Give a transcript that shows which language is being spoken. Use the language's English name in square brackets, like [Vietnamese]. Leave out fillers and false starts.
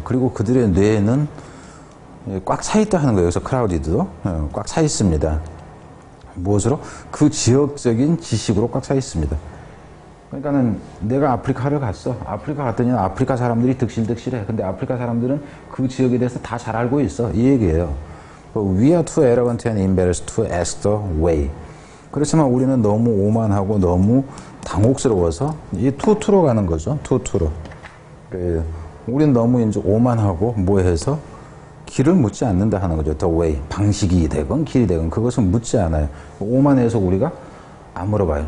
[Korean] 그리고 그들의 뇌는 꽉 차있다 하는 거예요. 여기서 crowded도 꽉 차있습니다. 무엇으로? 그 지역적인 지식으로 꽉 차 있습니다. 그러니까는 내가 아프리카를 갔어. 아프리카 갔더니 아프리카 사람들이 득실득실해. 근데 아프리카 사람들은 그 지역에 대해서 다 잘 알고 있어. 이 얘기예요. [English] But we are too arrogant and embarrassed to ask the way. [Korean] 그렇지만 우리는 너무 오만하고 너무 당혹스러워서 이 투투로 가는 거죠. 투투로. 우리는 너무 이제 오만하고 뭐해서 길을 묻지 않는다 하는 거죠. [English] The way. [Korean] 방식이 되건 길이 되건 그것은 묻지 않아요. 오만해서 우리가 안 물어봐요.